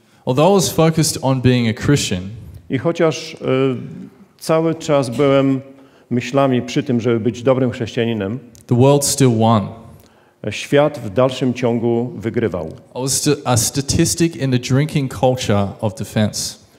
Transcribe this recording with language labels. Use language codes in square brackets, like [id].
[en] Although I was focused on being a Christian, [pl] i chociaż cały czas byłem myślami przy tym, żeby być dobrym chrześcijaninem, [en] the world still won. [pl] Świat w dalszym ciągu wygrywał. [en] I was a statistic in the drinking culture of defense.